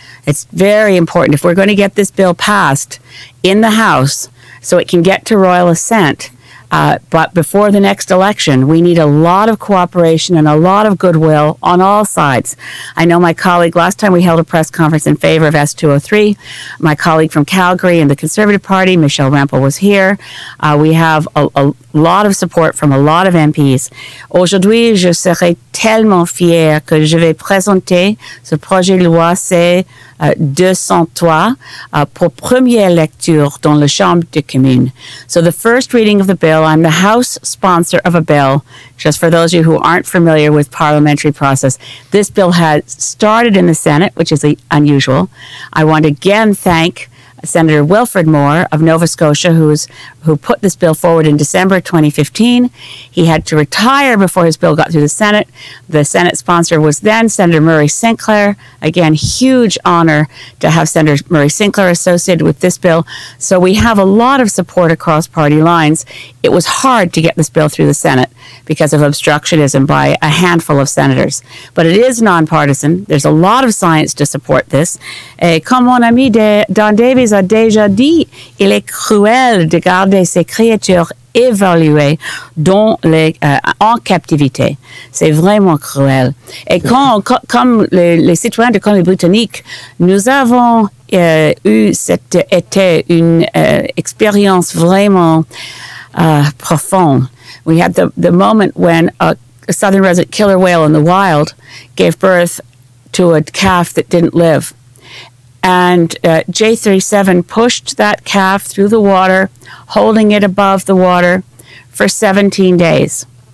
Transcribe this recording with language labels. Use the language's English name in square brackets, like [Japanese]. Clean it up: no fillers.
[English] It's very important. If we're going to get this bill passed in the House so it can get to royal assent, but before the next election, we need a lot of cooperation and a lot of goodwill on all sides. I know my colleague, last time we held a press conference in favor of S-203, my colleague from Calgary and the Conservative Party, Michelle Rempel, was here. We have a lot of support from a lot of MPs. [French] Aujourd'hui, je serai tellement fière que je vais présenter ce projet de loi C-203 pour première lecture dans la Chambre des communes. [English] So the first reading of the bill, I'm the House sponsor of a bill. Just for those of you who aren't familiar with parliamentary process, this bill has started in the Senate, which is unusual. I want to again thank Senator Wilfred Moore of Nova Scotia, who put this bill forward in December 2015. He had to retire before his bill got through the Senate. The Senate sponsor was then Senator Murray Sinclair. Again, huge honor to have Senator Murray Sinclair associated with this bill. So we have a lot of support across party lines. It was hard to get this bill through the Senate because of obstructionism by a handful of senators. But it is nonpartisan. There's a lot of science to support this. [French] Comme mon ami Don Davies a déjà dit, il est cruel de garder ces créatures évoluées dans en captivité. C'est vraiment cruel. Et comme les citoyens de Colombie-Britannique, nous avons eu cet été une expérience vraiment profonde. [English] We had the moment when a southern resident killer whale in the wild gave birth to a calf that didn't live. And J37 pushed that calf through the water, holding it above the water for 17 days.